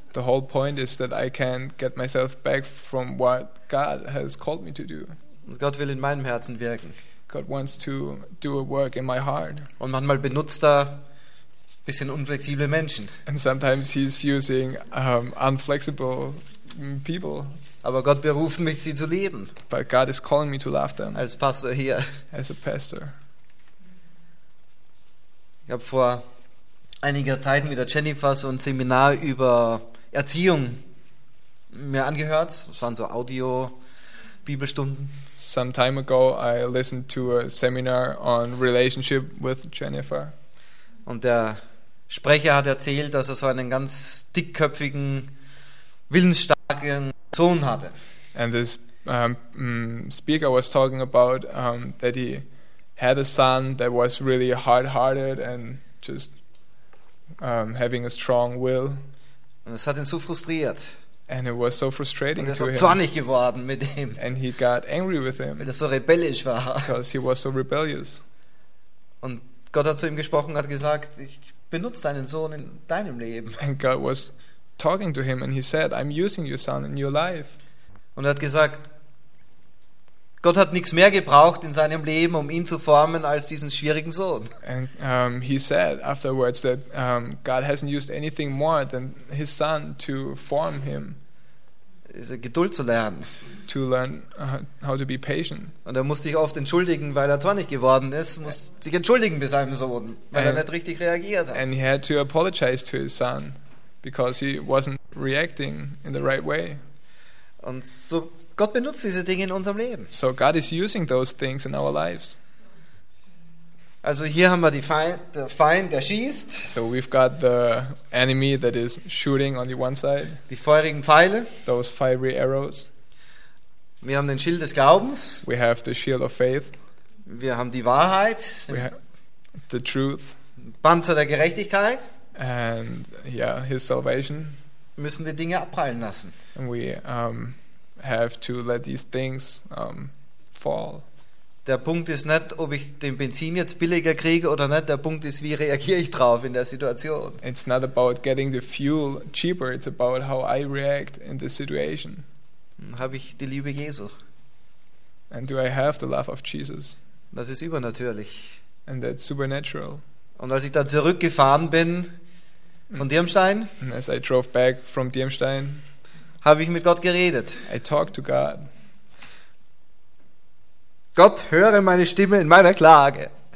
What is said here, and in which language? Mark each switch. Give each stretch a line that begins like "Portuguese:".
English: The whole point is that I can't get myself back from what God has called me to do.
German: Und Gott will in meinem Herzen wirken.
English: God wants to do a work in my heart.
German: Und manchmal benutzt er bisschen unflexible Menschen.
English: And sometimes he's using unflexible people.
German: Aber Gott beruft mich, sie zu lieben.
English: But God is calling me to love them.
German: Als Pastor hier.
English: As a pastor.
German: Ich habe vor einiger Zeit mit der Jennifer so ein Seminar über Erziehung mir angehört. Das waren so Audio-Bibelstunden.
English: Some time ago I listened to a seminar on relationship with Jennifer.
German: Und der Sprecher hat erzählt, dass er so einen ganz dickköpfigen, willensstarken Sohn hatte.
English: And this speaker was talking about that he had a son that was really hard-hearted and just having a strong will.
German: Und das hat ihn so frustriert.
English: And it was so frustrating to him.
German: Und er ist zornig geworden mit ihm.
English: And he got angry with him.
German: Weil er so rebellisch war.
English: Because he was so rebellious.
German: Und Gott hat zu ihm gesprochen, hat gesagt, ich benutze deinen Sohn in deinem Leben.
English: And God was talking to him and he said, I'm using your son in your life.
German: Und er hat gesagt, Gott hat nichts mehr gebraucht in seinem Leben, um ihn zu formen, als diesen schwierigen Sohn.
English: And he said afterwards that God hasn't used anything more than his son to form him.
German: Ist Geduld zu lernen.
English: To learn how to be patient.
German: Und er musste sich oft entschuldigen, weil er zornig geworden ist, musste sich entschuldigen bei seinem Sohn, weil er nicht richtig reagiert hat.
English: And he had to apologize to his son because he wasn't reacting in the right way.
German: Und so Gott benutzt diese Dinge in unserem Leben.
English: So God is using those things in our lives.
German: Also hier haben wir der Feind, der schießt.
English: So we've got the enemy that is shooting on the one side.
German: Die feurigen Pfeile.
English: Those fiery arrows.
German: Wir haben den Schild des Glaubens.
English: We have the shield of faith.
German: Wir haben die Wahrheit.
English: We have the truth.
German: Panzer der Gerechtigkeit.
English: And yeah, his salvation.
German: Wir müssen die Dinge abprallen lassen.
English: And we have to let these things fall.
German: Der Punkt ist nicht, ob ich den Benzin jetzt billiger kriege oder nicht. Der Punkt ist, wie reagiere ich drauf in der Situation.
English: It's not about getting the fuel cheaper. It's about how I react in the situation.
German: Habe ich die Liebe Jesu?
English: And do I have the love of Jesus?
German: Das ist übernatürlich.
English: And that's supernatural.
German: Und als ich da zurückgefahren bin von Dirmstein,
English: and as I drove back from Dirmstein,
German: habe ich mit Gott geredet.
English: I talked to God.
German: Gott, höre meine Stimme in meiner Klage.